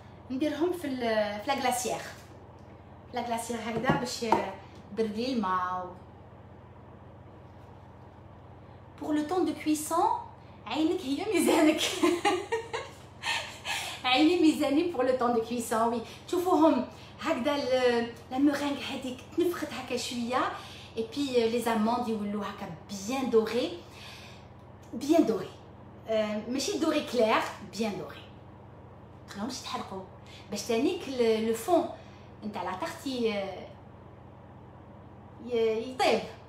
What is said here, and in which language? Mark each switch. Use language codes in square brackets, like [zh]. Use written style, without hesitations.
[fr] Je vais vous donner la glacière. La glacière, je vais vous donner le cadeau. Pour le temps de cuisson, [ar] عينك هي ميزانك. عيني ميزاني [fr] pour le temps de cuisson, oui. [ar] تشوفوهم هكذا لا مورينغ هذيك تنفخت هكا شويه [fr] et puis les amandes [ar] يولوا هكا [fr] bien doré. Bien doré. ماشي doré clair, bien doré. [ar] خلاص تحرقوا باش تانيك le fond نتاع la tarte يطيب.